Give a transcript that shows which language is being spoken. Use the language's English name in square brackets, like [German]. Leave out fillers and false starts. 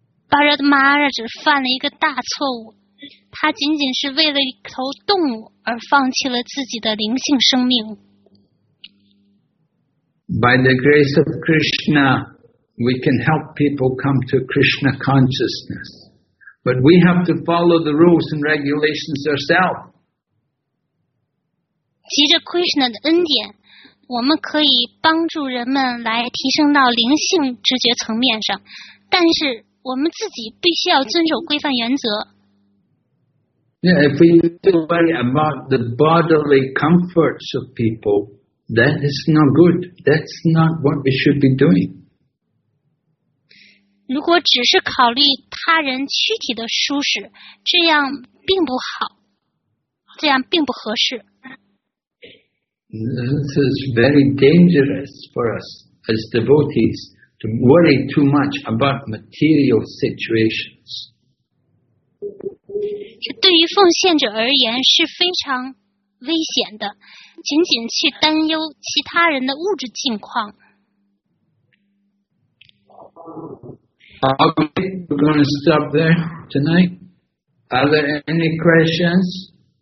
[Chinese] Bharat Maharaj 犯了一个大错误，他仅仅是为了一头动物而放弃了自己的灵性生命。 [English] By the grace of Krishna, we can help people come to Krishna consciousness. But we have to follow the rules and regulations ourselves. [Chinese] 藉着 Krishna 的恩典，我们可以帮助人们来提升到灵性知觉层面上，但是我们自己必须要遵守规范原则。 [English] Yeah, if we worry about the bodily comforts of people, that is not good. That's not what we should be doing. [Chinese] 如果只是考虑他人躯体的舒适，这样并不好，这样并不合适。 [English] This is very dangerous for us as devotees to worry too much about material situations. [Chinese] 这对于奉献者而言是非常危险的，仅仅去担忧其他人的物质境况。 [English] Okay, we're going to stop there tonight. Are there any questions?